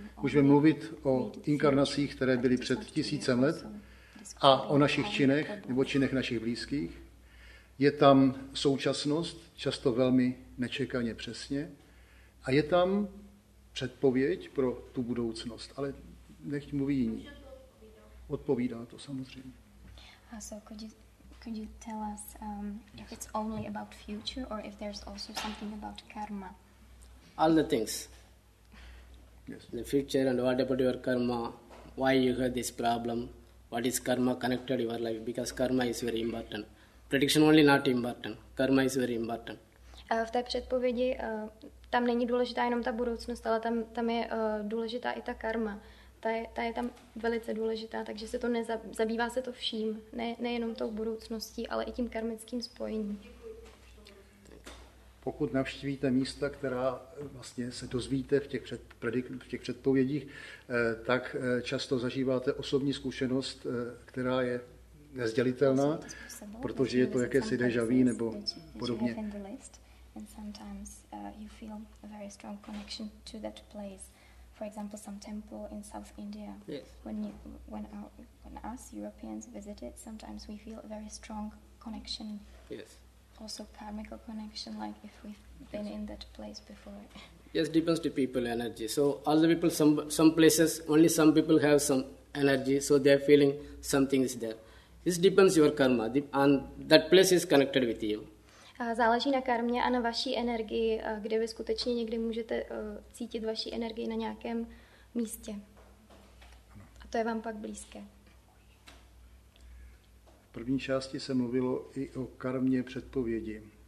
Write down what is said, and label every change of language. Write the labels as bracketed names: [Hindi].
[Czech] Můžeme mluvit o inkarnacích, které byly před 1000 let a o našich činech nebo činech našich blízkých. Je tam současnost, často velmi nečekaně přesně. A je tam předpověď pro tu budoucnost, ale nechť mluví jiní. Odpovídá to samozřejmě. [English] So could you tell us if it's only about future or if there's also something about karma? All the things. Yes. The future and what about your karma? Why you have this problem? What is karma connected to your life? Because karma is very important. Prediction only not important. Karma is very important. [Czech] V té předpovědi tam není důležitá jenom ta budoucnost, ale tam je důležitá i ta karma. Ta je tam velice důležitá, takže se to zabývá se to vším, nejenom tou budoucností, ale i tím karmickým spojením. Pokud navštívíte místa, která vlastně se dozvíte v těch předpovědích, tak často zažíváte osobní zkušenost, která je nezdělitelná, protože je to jakési déjà vu nebo podobně. [English] And sometimes you feel a very strong connection to that place, for example, some temple in South India. Yes. When us Europeans visit it, sometimes we feel a very strong connection. Yes. Also, karmical connection, like if we've been in that place before. Yes, depends to people energy. So all the people, some places only some people have some energy, so they're feeling something is there. This depends your karma, and that place is connected with you. [Czech] Záleží na karmě a na vaší energii, kde vy skutečně někdy můžete cítit vaší energii na nějakém místě. A to je vám pak blízké. V první části se mluvilo i o karmě předpovědi.